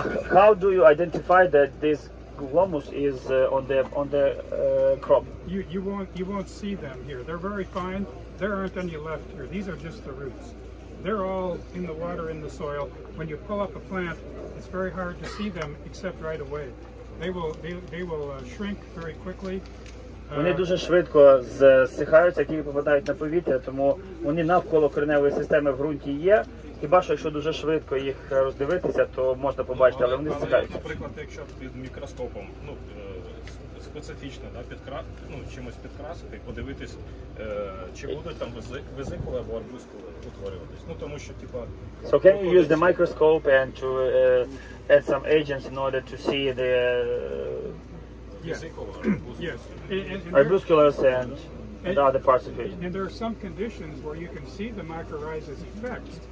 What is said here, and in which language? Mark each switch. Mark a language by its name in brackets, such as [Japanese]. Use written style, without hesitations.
[English] How do you identify that this glomus is on the crop? You won't see them here. They're very fine. There aren't any left here. These are just the roots. They're all in the water, in the soil. When you pull up a plant, it's very hard to see them except right away. They will shrink very quickly. [Ukrainian] Вони дуже швидко зсихаються, тільки попадають на повітря, тому вони навколо кореневої системи в ґрунті є. Хіба що, якщо дуже швидко їх роздивитися, то можна побачити, але вони зсихаються. Наприклад, якщо під мікроскопом, ну, специфічно, да, чимось підкрасити, подивитись, чи будуть там везикули або арбузкули утворюватись. Ну, тому що, типа... [English] So can you use the microscope and to add some agents in order to see the... Arbusculars and other parts of it. And there are some conditions where you can see the mycorrhiza's effects.